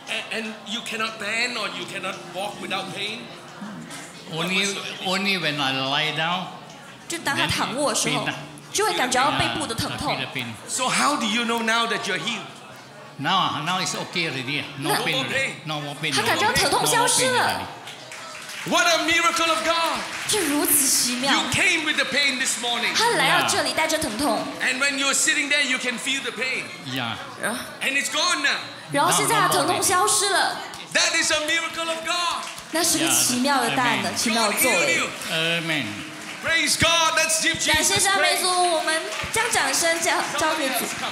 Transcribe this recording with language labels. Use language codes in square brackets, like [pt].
[en] And you cannot bend or you cannot walk without pain? Only when I lie down. [zh] 就当他躺卧的时候，就会感觉到背部的疼痛。 [en] So how do you know now that you're healed? Now it's okay already. No pain. No more pain. [zh] 他感觉到疼痛消失了。 [en] What a miracle of God! [zh] 这如此奇妙。 [en] You came with the pain this morning. [zh] 他来到这里带着疼痛。 [en] And when you're sitting there, you can feel the pain. Yeah. And it's gone now. [zh] 然后现在他疼痛消失了。 [en] That is a miracle of God. [zh] 那是个奇妙的大能，奇妙的作为。 [en] Amen. Praise God. Let's give Jesus praise. [zh] 感谢赞美主，我们将掌声交给主。